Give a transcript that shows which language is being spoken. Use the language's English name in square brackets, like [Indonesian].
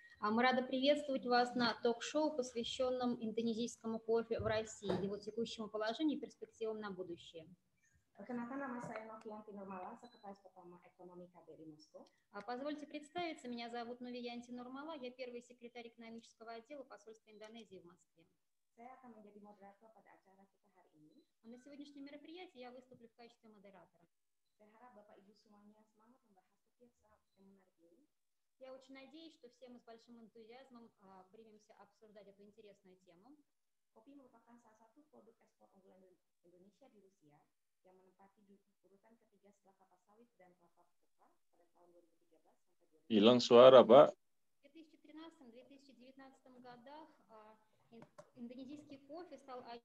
[Russian] А мы рады приветствовать вас на ток-шоу, посвященном индонезийскому кофе в России, его текущему положению и перспективам на будущее. [Indonesian] Perkenalkan, nama saya Novia Antinormala, sekretaris pertama ekonomi KBRI Moskow. [Russian] Позвольте представиться, меня зовут Новия Антинормала, я первый секретарь экономического отдела посольства Индонезии в Москве. [Indonesian] Saya akan menjadi moderator pada acara kita hari ini. [Russian] На сегодняшнем мероприятии я выступлю в качестве модератора. [Indonesian] Saya harap Bapak Ibu semuanya semangat membahas setiap yang menarik ini. [Russian] Я очень надеюсь, что все мы с большим энтузиазмом примемся обсуждать эту интересную тему. [Indonesian] Kopi merupakan salah satu produk ekspor unggulan Indonesia di Rusia yang menempati di urutan ketiga setelah kelapa sawit dan kelapa kopra pada tahun 2013 sampai 2020. Hilang suara, Pak. [Russian] В 2013-2019 годах индонезийский кофе стал